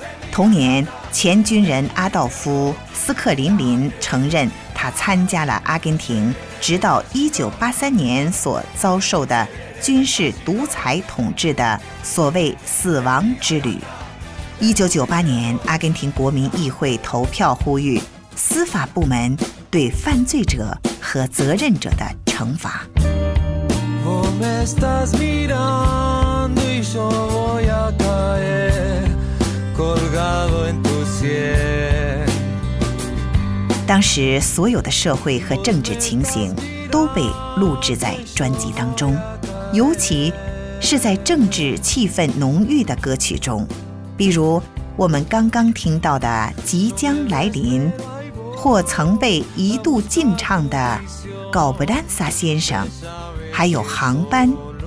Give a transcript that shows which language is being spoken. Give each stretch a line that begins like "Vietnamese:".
Chinese: 同年，前军人阿道夫·斯克林林承认他参加了阿根廷直到1983年所遭受的军事独裁统治的所谓死亡之旅。 1998年，阿根廷国民议会投票呼吁司法部门对犯罪者和责任者的惩罚。
Spanish: Yo voy a caer, colgado en tu cielo.
Chinese: 当时所有的社会和政治情形都被录制在专辑当中，尤其是在政治气氛浓郁的歌曲中，比如我们刚刚听到的《即将来临》，或曾被一度禁唱的《高布兰萨先生》，还有《航班》。